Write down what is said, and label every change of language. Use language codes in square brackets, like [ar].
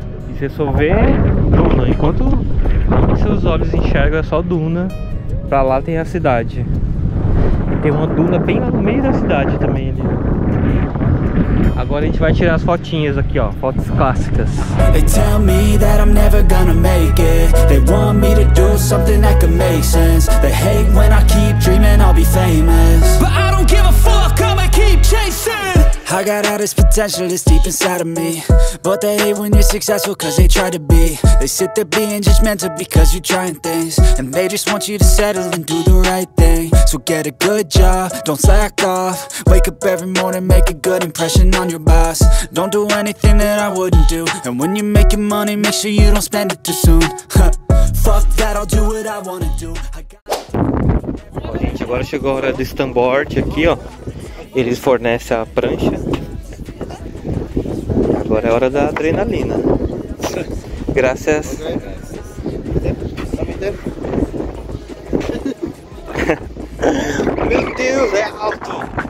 [pt] E você só vê duna. Enquanto seus olhos enxergam, é só duna. Para lá tem a cidade. Tem uma duna bem lá no meio da cidade também ali. Agora a gente vai tirar as fotinhas aqui, ó. Fotos clássicas. [en] They tell me that I'm never gonna make it. They want me to do something that could make sense. They hate when I keep dreaming I'll be famous. But I don't give a fuck, I'ma keep chasing. I got all this potential that's deep inside of me. But they hate when you're successful cause they try to be. They sit there being judgmental because you're trying things. And they just want you to settle and do the right thing. So get a good job, don't slack off. Wake up every morning, make a good impression on your boss. Don't do anything that I wouldn't do. And when you're making money, make sure you don't spend it too soon. Fuck that, I'll do what I wanna do. [pt] Gente, agora chegou a hora do standboard aqui, ó. Eles fornecem a prancha. Agora é hora da adrenalina. Graças. Meu Deus, é alto.